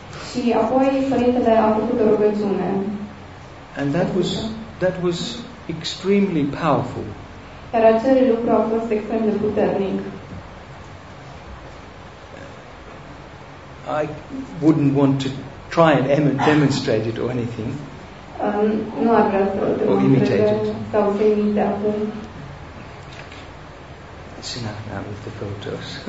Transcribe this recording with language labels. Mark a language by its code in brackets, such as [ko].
[ro] Și apoi părintele a făcut o rugăciune. [en] And that was extremely powerful. [ro] Iar acel lucru a fost extrem de puternic. [en] I wouldn't want to try and demonstrate it or anything. [ro] Nu ar vrea să [en] or imitate it. [ro] Sau să imite acum. [en] It's enough now with the photos.